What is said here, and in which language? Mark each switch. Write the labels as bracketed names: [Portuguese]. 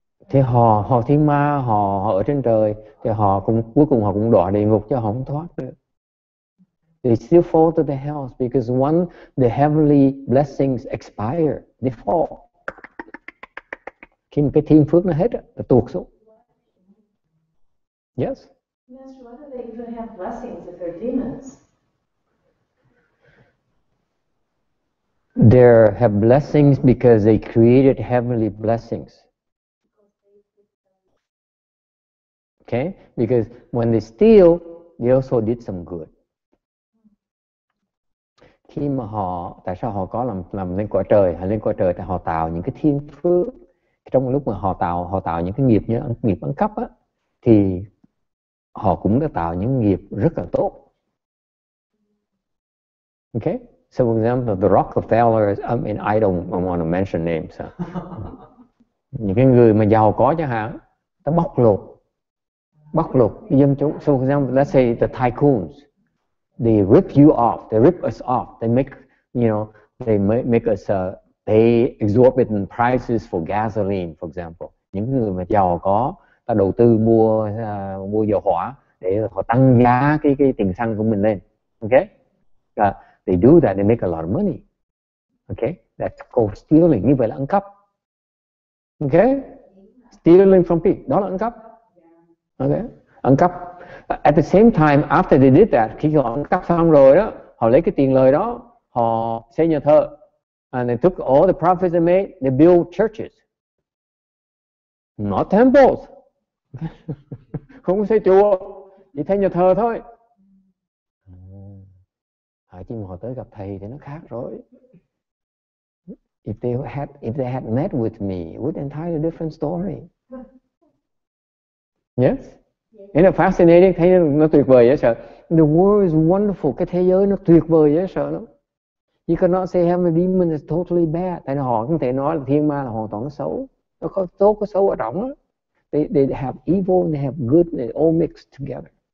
[Vietnamese] Thì họ thiên ma, họ ở trên trời, thì họ cũng cuối cùng họ cũng đọa địa ngục chứ họ không thoát được. [English] They still fall to the hells because when the heavenly blessings expire, they fall. [Vietnamese] Khi cái thiên phước nó hết, nó tuột xuống. [English] Yes? Master, why do they even have blessings if they're demons? They have blessings because they created heavenly blessings. Okay? Because when they steal, they also did some good. [Vietnamese] Khi mà họ, tại sao họ có làm lên quả trời, hay lên quả trời thì họ tạo những cái thiên phước. Trong lúc mà họ tạo những cái nghiệp như nghiệp ăn cắp á, thì họ cũng đã tạo những nghiệp rất là tốt. [English] Okay? So for example, the Rockefellers, I don't want to mention names. [Vietnamese] Những cái người mà giàu có chẳng hạn, ta bóc lột dân chúng. [English] So for example, let's say the tycoons. They rip you off. They rip us off. They make, you know, they make us pay exorbitant prices for gasoline, for example. [Vietnamese] Những người mà giàu có, ta đầu tư mua dầu hỏa để họ tăng giá cái tiền xăng của mình lên. [English] Okay? They do that. They make a lot of money. Okay? That's called stealing. [Vietnamese] Như vậy là ăn cắp. Okay? [English] Stealing from people. [Vietnamese] Đó là ăn cắp. Okay? Ăn cắp. [English] At the same time, after they did that, [Vietnamese] khi họ ăn cắp xong rồi đó, họ lấy cái tiền lời đó, họ xây nhà thờ. [English] And they took all the profits they made, they built churches. Not temples. [Vietnamese] Không xây chùa. chỉ thấy nhà thờ thôi. À, chứ mà họ tới gặp thầy thì nó khác rồi. [English] If they had met with me, it would entirely different story. Yes? Isn't it fascinating? [Vietnamese] Thấy nó tuyệt vời vậy sợ. [English] The world is wonderful. [Vietnamese] Cái thế giới nó tuyệt vời vậy sợ lắm. [English] You cannot say heaven and demons is totally bad. [Vietnamese] Tại họ không thể nói là thiên ma là hoàn toàn nó xấu. Nó có tốt có xấu ở trong đó. [English] They have evil and they have good and they all mixed together.